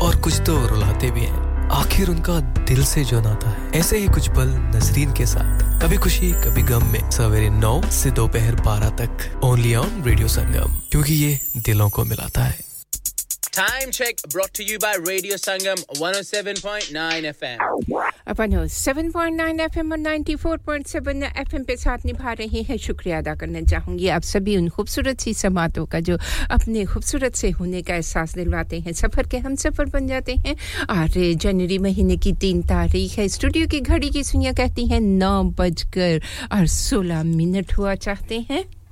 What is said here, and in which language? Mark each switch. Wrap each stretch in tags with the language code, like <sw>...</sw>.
<hi>से जो नाता है ऐसे ही कुछ पल नसरीन के साथ कभी खुशी कभी गम में सवेरे 9 से दोपहर 12 तक</hi> <en>only on Radio Sangam</en> <hi>क्योंकि ये दिलों को मिलाता है</hi> <en>Time check brought to you by Radio Sangam 107.9 FM</en> <hi>अपन हो 7.9 FM और 94.7 FM पे साथ निभा रहे हैं शुक्रिया अदा करना चाहूंगी आप सभी उन खूबसूरत सी समातों का जो अपने खूबसूरत से होने का एहसास दिलवाते हैं सफर के हम सफर बन जाते हैं और जनवरी महीने की 3 तारीख है स्टूडियो की घड़ी की सुइयां कहती हैं 9:16 हुआ चाहते हैं</hi>